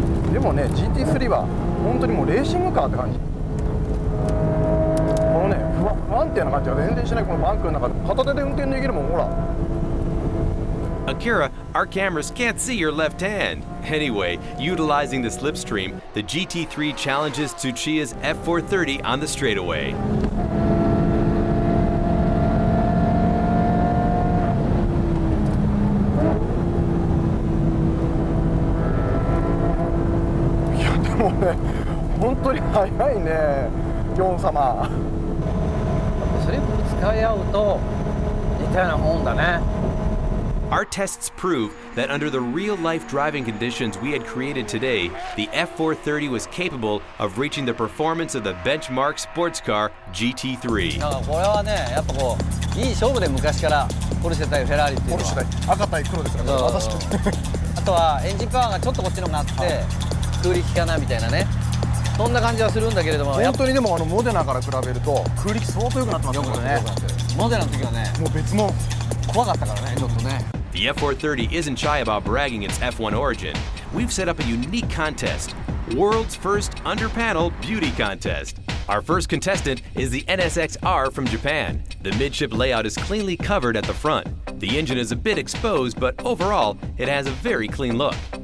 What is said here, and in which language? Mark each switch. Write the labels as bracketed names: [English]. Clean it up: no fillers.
[Japanese] でもね、 GT3 は本当にもうレーシングカーって感じ。このね、不安定な感じは全然しない。このバンクの中で片手で運転できるもん。ほら、 [English] Akira, our cameras can't see your left hand. Anyway, utilizing the slipstream, the GT3 challenges Tsuchiya's F430 on the straightaway. [Japanese] 本当に速いね、ヨン様。スリップ使い合うと似たようなもんだね。 [English] Our tests prove that under the real-life driving conditions we had created today, the F430 was capable of reaching the performance of the benchmark sports car GT3. [Japanese] これはね、やっぱこういい勝負で昔からポルシェ対フェラーリっていうのは。ポルシェ対赤対黒ですから、ね。そう。あとはエンジンパワーがちょっとこっちの方があって。はい、空力かなみたいなね、そんな感じはするんだけれども、本当にでもモデナから比べると空力相当良くなってますよね。モデナの時はね、もう別物怖かったからね、ちょっとね。 [English] The F430 isn't shy about bragging its F1 origin. We've set up a unique contest, world's first under-panel beauty contest. Our first contestant is the NSX-R from Japan. The midship layout is cleanly covered at the front. The engine is a bit exposed, but overall, it has a very clean look.